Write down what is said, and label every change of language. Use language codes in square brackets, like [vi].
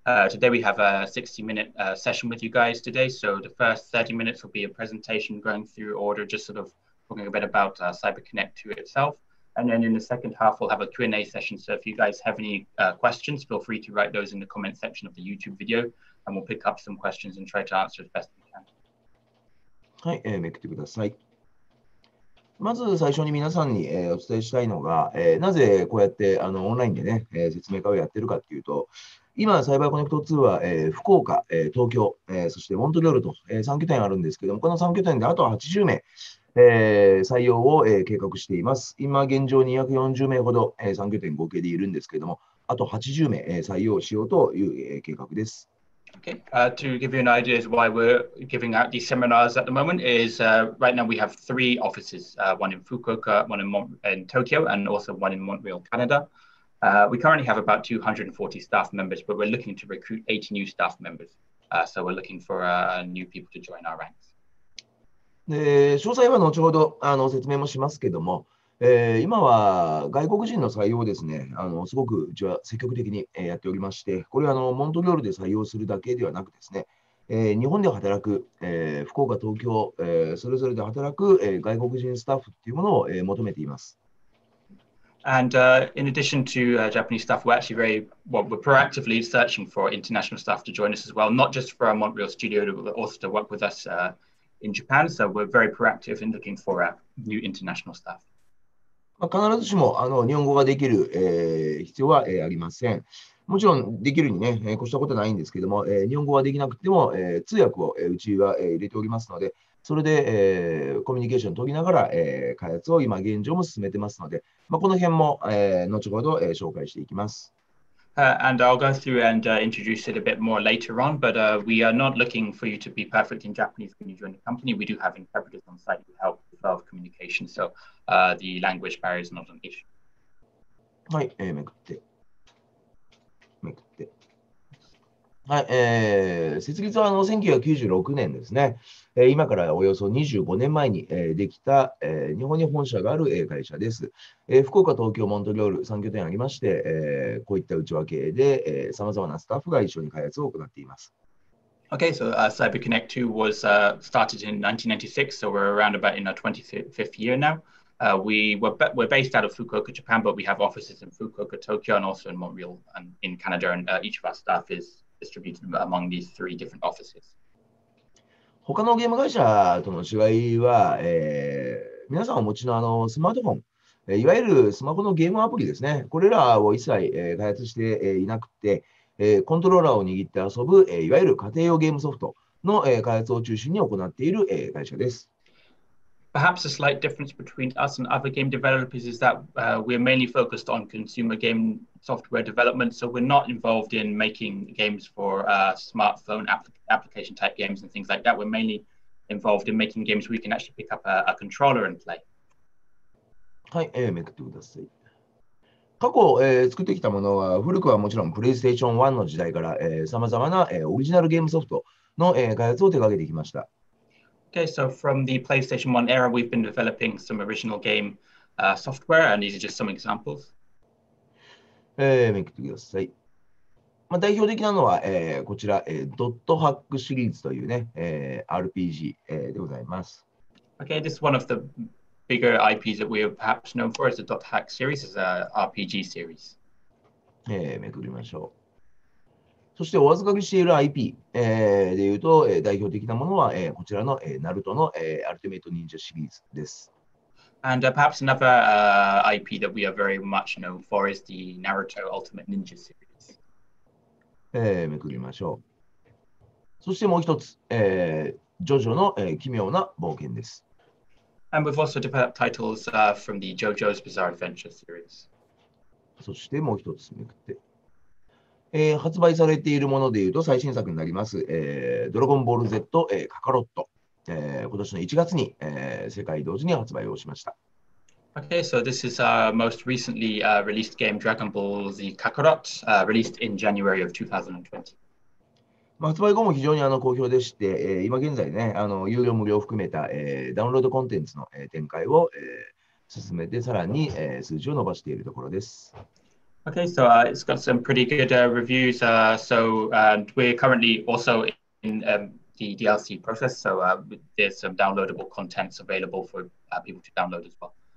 [en] Today we have a 60-minute session with you guys today. So the first 30 minutes will be a presentation going through order, just sort of talking a bit about CyberConnect 2 itself. And then in the second half, we'll have a Q&A session. So if you guys have any questions, feel free to write those in the comment section of the YouTube video, and we'll pick up some questions and try to answer as best we can. [ja] はい、めくってください。まず最初に皆さんに、お伝えしたいのが、なぜこうやってオンラインでね、説明会をやってるかっていうと、今、サイバーコネクト2は、福岡、東京、そしてモントリオールと、3拠点あるんですけども、この3拠点であと80名、採用を、計画しています。今現状240名ほど、3拠点合計でいるんですけども、あと80名、採用しようという、計画です。 [en] Okay. To give you an idea as why we're giving out these seminars at the moment is right now we have three offices, one in Fukuoka, one in Tokyo, and also one in Montreal, Canada. We currently have about 240 staff members, but we're looking to recruit 80 new staff members. So we're looking for new people to join our ranks. [ja] で、詳細は後ほど説明もしますけども、今は外国人の採用をですね、すごくうちは積極的に、やっておりまして、これはモントリオールで採用するだけではなくですね、日本で働く、福岡、東京、それぞれで働く、外国人スタッフというものを、求めています。 [en] And in addition to Japanese staff, we're actually very, well, we're proactively searching for international staff to join us as well, not just for our Montreal studio, but also to work with us in Japan. So we're very proactive in looking for new international staff. [ja] 必ずしも日本語ができる、必要は、ありません。もちろんできるにね、越したことはないんですけども、日本語ができなくても、通訳を、うちは、入れておりますので、それで、コミュニケーションを解きながら、開発を今現状も進めてますので、まあ、この辺も、後ほど、紹介していきます。 [en] And I'll go through and introduce it a bit more later on, but we are not looking for you to be perfect in Japanese when you join the company. We do have interpreters on site to help with communication, so the language barrier is not an issue. [ja] はい、めくって。めくって。はい、設立は1996年ですね。今からおよそ25年前に、できた、日本に本社がある、会社です。福岡、東京、モントリオール3拠点ありまして、こういった内訳で、さまざまなスタッフが一緒に開発を行っています。 [en] Okay, so CyberConnect 2 was started in 1996, so we're around about in our 25th year now. We're based out of Fukuoka, Japan, but we have offices in Fukuoka, Tokyo, and also in Montreal and in Canada, and each of our staff is distributed among these three different offices. [ja] 他のゲーム会社との違いは、皆さんお持ちの、スマートフォン、いわゆるスマホのゲームアプリですね、これらを一切、開発して、いなくて、コントローラーを握って遊ぶ、いわゆる家庭用ゲームソフトの、開発を中心に行っている、会社です。 [en] Perhaps a slight difference between us and other game developers is that we're mainly focused on consumer game software development, so we're not involved in making games for smartphone application type games and things like that. We're mainly involved in making games where you can actually pick up a controller and play. [ja] はい、めくってください。過去、作ってきたものは、古くはもちろん PlayStation 1の時代から、さまざまな、オリジナルゲームソフト、の、開発を手掛けてきました。 [en] Okay, so from the PlayStation 1 era, we've been developing some original game software, and these are just some examples. [ja] めくってください。まあ、代表的なのは、こちら、ドットハックシリーズというね、RPG、でございます。 [en] Okay, this is one of the bigger IPs that we are perhaps known for as the Dot Hack series, as a RPG series. [ja] めくりましょう。そしてお預かりしている IP、でいうと、代表的なものは、こちらの、ナルトの、アルティメイト忍者シリーズです。 [en] And perhaps another IP that we are very much known for is the Naruto Ultimate Ninja series. [ja] めくりましょう。そしてもう一つ、ジョジョの、奇妙な冒険です。 [en] And we've also developed titles from the JoJo's Bizarre Adventure series. [ja] そしてもう一つめくって。発売されているものでいうと、最新作になります、ドラゴンボール Z、カカロット。今年の1月に、世界同時に発売をしました。 [en] Okay, so this is our most recently released game, Dragon Ball Z Kakarot, released in January of 2020. [ja] 発売後も非常に好評でして、今現在ね、有料無料を含めた、ダウンロードコンテンツの、展開を、進めて、さらに、数字を伸ばしているところです。 [en] Okay, so it's got some pretty good reviews. And we're currently also in the DLC process, so there's some downloadable contents available for people to download as well.